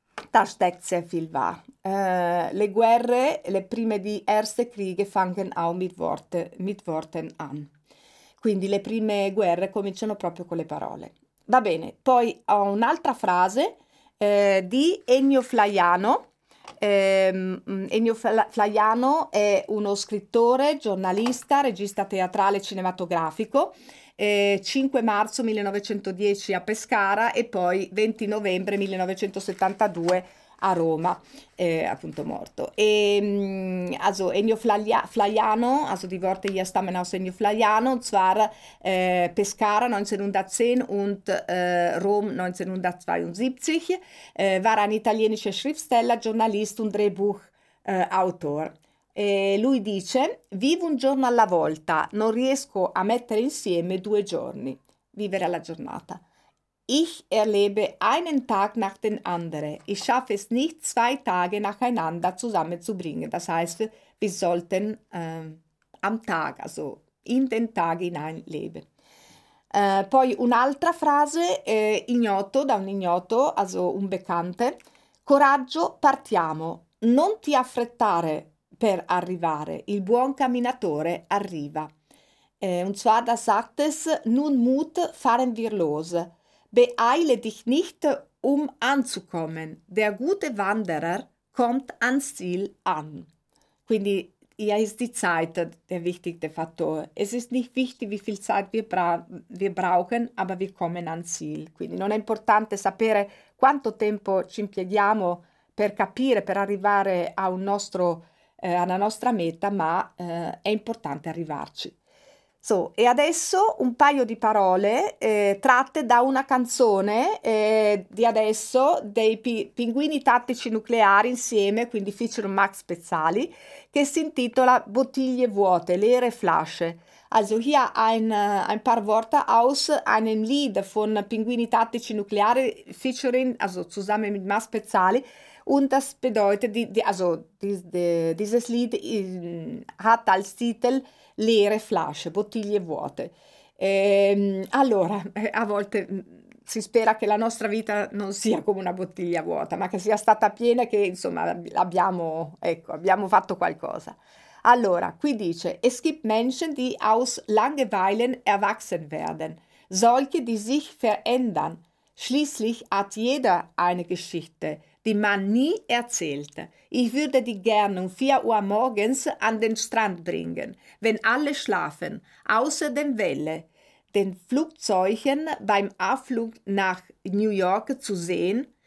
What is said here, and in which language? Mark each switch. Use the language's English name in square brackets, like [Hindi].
[German] Da steckt sehr viel wahr. [Italian] Le guerre, le prime di [German] erste Kriege fangen auch mit Worten an. [Italian] Quindi le prime guerre cominciano proprio con le parole. Va bene, poi ho un'altra frase di Ennio Flaiano, Ennio Flaiano è uno scrittore, giornalista, regista teatrale e cinematografico. 5 marzo 1910 a Pescara e poi 20 novembre 1972 a Roma, appunto morto. E, [German] also Ennio Flaiano, also die Worte hier stammen aus Ennio Flaiano, zwar Pescara 1910 und Rom 1972, war ein italienischer Schriftsteller, Journalist und Drehbuchautor. [Italian] E lui dice: vivo un giorno alla volta, non riesco a mettere insieme due giorni. Vivere alla giornata. [German] Ich erlebe einen Tag nach dem anderen. Ich schaffe es nicht, zwei Tage nacheinander zusammenzubringen. Das heißt, wir sollten am Tag, also in den Tag hineinleben. [Italian] Poi un'altra frase, ignoto, da un ignoto, [German] also un bekannte. [Italian] Coraggio, partiamo. Non ti affrettare per arrivare. Il buon camminatore arriva. [German] Und zwar, da sagt es, nun Mut, fahren wir los. Beeile dich nicht, um anzukommen. Der gute Wanderer kommt ans Ziel an. [Italian] Quindi [German] hier ist die Zeit der wichtigste Faktor. Es ist nicht wichtig, wie viel Zeit wir brauchen, aber wir kommen ans Ziel. [Italian] Quindi non è importante sapere quanto tempo ci impieghiamo per capire, per arrivare a un nostro, alla nostra meta, ma è importante arrivarci. So, e adesso un paio di parole tratte da una canzone di adesso dei Pinguini Tattici Nucleari insieme, quindi feature Max Pezzali, che si intitola Bottiglie Vuote, [German] Leere Flasche. Also hier ein paar Worte aus einem Lied von Pinguini Tattici Nucleari featuring, also zusammen mit Max Pezzali. Und das bedeutet, dieses Lied hat als Titel Leere Flasche, Bottiglie Vuote. [Italian] Allora, a volte si spera che la nostra vita non sia come una bottiglia vuota, ma che sia stata piena e che, insomma, abbiamo fatto qualcosa. Allora, qui dice, [German] es gibt Menschen, die aus Langeweilen erwachsen werden, solche, die sich verändern. Schließlich hat jeder eine Geschichte, die man nie erzählt. Ich würde die gerne um 4 Uhr morgens an den Strand bringen, wenn alle schlafen, außer den Wellen, den Flugzeugen beim Abflug nach New York zu sehen.